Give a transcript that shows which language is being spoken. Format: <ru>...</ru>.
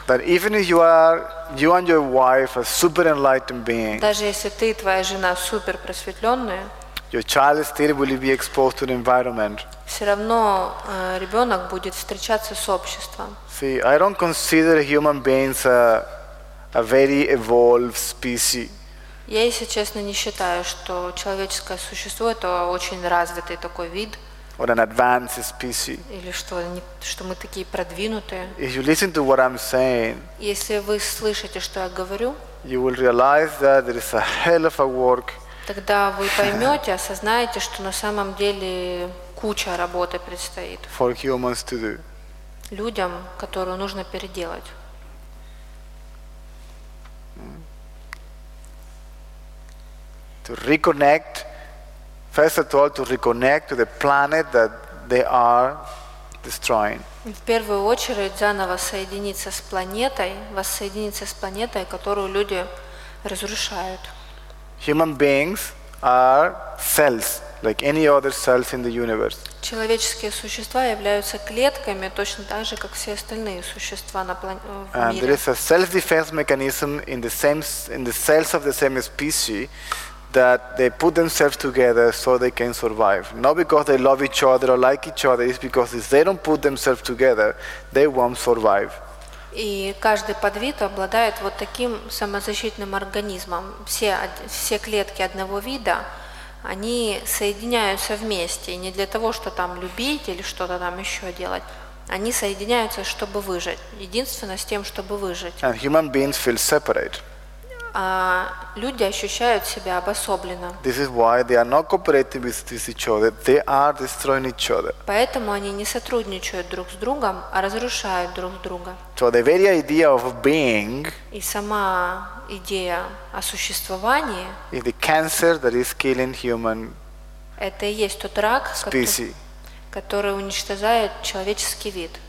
<en>That even if you and your wife are super enlightened beings.</en> <ru>Даже если ты и твоя жена супер просветленные.</ru> <en>Your child still will be exposed to the environment.</en> <ru>Все равно ребенок будет встречаться с обществом.</ru> <en>See, I don't consider human beings a very evolved species.</en> <ru>Я, если честно, не считаю, что человеческое существо – это очень развитый такой вид.</ru> <en>Or an advanced species.</en> <ru>Или что мы такие продвинутые.</ru> <en>If you listen to what I'm saying,</en> <ru>если вы слышите, что я говорю,</ru> <en>you will realize that there is a hell of a work.</en> <ru>Тогда вы поймете, осознаете, что на самом деле куча работы предстоит.</ru> <en>For humans to do.</en> <ru>Людям, которую нужно переделать.</ru> <en>To reconnect, first of all, to reconnect to the planet that they are destroying.</en> <ru>В первую очередь заново соединиться с планетой, воссоединиться с планетой, которую люди разрушают.</ru> <en>Human beings are cells, like any other cells in the universe.</en> <ru>Человеческие существа являются клетками, точно так же, как все остальные существа на планете.</ru> <en>And there is a self-defense mechanism in the same, in the cells of the same species, that they put themselves together so they can survive. Not because they love each other or like each other, it's because if they don't put themselves together, they won't survive.</en> <ru>И каждый подвид обладает вот таким самозащитным организмом. Все клетки одного вида, они соединяются вместе, не для того, что там любить или что-то там еще делать. Они соединяются, чтобы выжить. Единственно с тем, чтобы выжить.</ru> <en>And human beings feel separate.</en> <ru>А люди ощущают себя обособленно.</ru> <en>This is why they are not cooperating with each other. They are destroying each other.</en> <ru>Поэтому они не сотрудничают друг с другом, а разрушают друг друга.</ru> <en>So the very idea of being.</en> <ru>И сама идея о существовании.</ru> <en>Is the cancer that is killing human.</en> <ru>Это и есть тот рак, который уничтожает человеческий вид.</ru>